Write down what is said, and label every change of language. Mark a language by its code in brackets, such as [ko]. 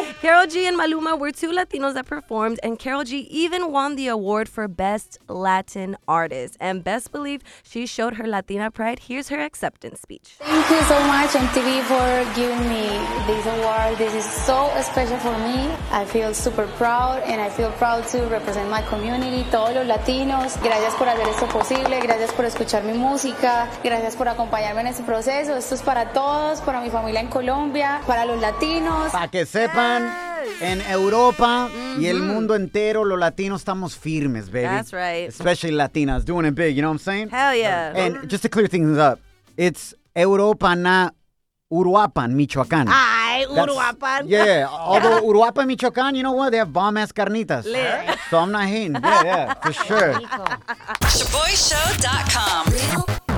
[en] Karol G and Maluma were two Latinos that performed, and Karol G even won the award for Best Latin Artist. And best believe, she showed her Latina pride. Here's her acceptance speech. Thank you so much, MTV, for giving me this award. This is so special for me. I feel super proud, and I feel proud to represent my community, todos los Latinos. [es] Gracias por hacer esto posible. Gracias por escuchar mi música. Gracias por acompañarme en este proceso. Esto es para todos, para mi familia en Colombia, para los Latinos. Para que sepan, en Europa y el mundo entero, los Latinos estamos firmes, baby. [en] That's right. Especially Latinas, doing it big, you know what I'm saying? Hell yeah. And just to clear things up, it's Europa, not Uruapan, Michoacán. Ay, Uruapan. Yeah, yeah. Although Uruapan, Michoacán, you know what? They have bomb-ass carnitas. Lit. So I'm not hating. Yeah, yeah, for sure. ShaboyShow.com.